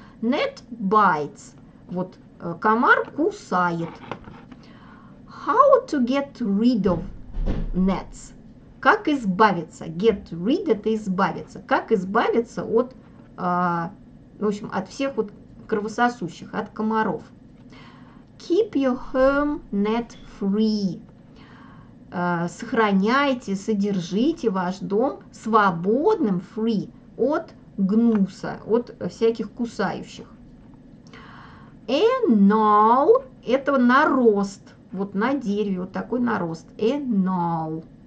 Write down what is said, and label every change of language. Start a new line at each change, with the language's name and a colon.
English: Gnat bites.
Russian: Вот комар кусает.
English: How to get rid of gnats?
Russian: Как избавиться?
English: Get rid
Russian: – это избавиться. Как избавиться от, в общем, от всех вот кровососущих, от комаров?
English: Keep your home gnat free.
Russian: Сохраняйте, содержите ваш дом свободным, free, от гнуса, от всяких кусающих.
English: A gnarl
Russian: – это нарост. Вот на дереве вот такой нарост.
English: A gnarl.